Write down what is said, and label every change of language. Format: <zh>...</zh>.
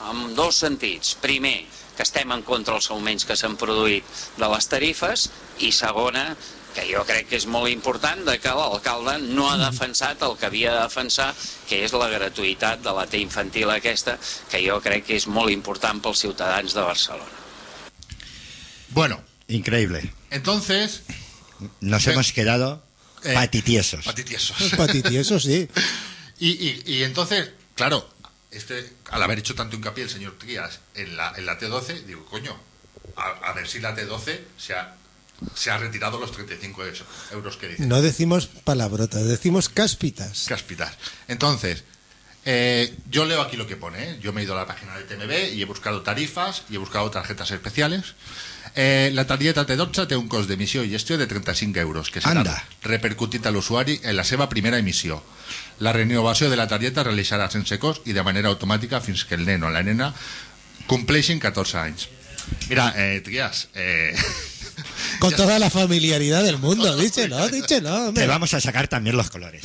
<ca>En dos sentits. Primer, que estem en contra dels augments que s'han produït de les tarifes. I segona, que jo crec que és molt important, de que l'alcalde no ha defensat el que havia de defensar, que és la gratuïtat de la T infantil aquesta, que jo crec que és molt important pels ciutadans de Barcelona.</ca> <es>Bueno, increíble. Entonces nos hemos quedado patitiesos. Patitiesos, sí. Y entonces, claro, al haber hecho tanto hincapié el señor Trías en la T12, digo, coño, a ver si la T12 se ha retirado los 35 euros que dice. No decimos palabrotas, decimos cáspitas. Cáspitas. Entonces, yo leo aquí lo que pone, ¿eh? Yo me he ido a la página de TMB y he buscado tarifas y he buscado tarjetas especiales.</es> <ca>La tarjeta T12 té un cost d'emissió i gestió de 35 euros, que serà repercutit a l'usuari en la seva primera emissió. La renovació de la tarjeta realitzarà sense cost i de manera automàtica fins que el nen o la nena compleixin 14 anys.</ca> <es>Mira, Trias... Con toda la familiaridad del mundo, díchelo. Te vamos a sacar también los colores.</es>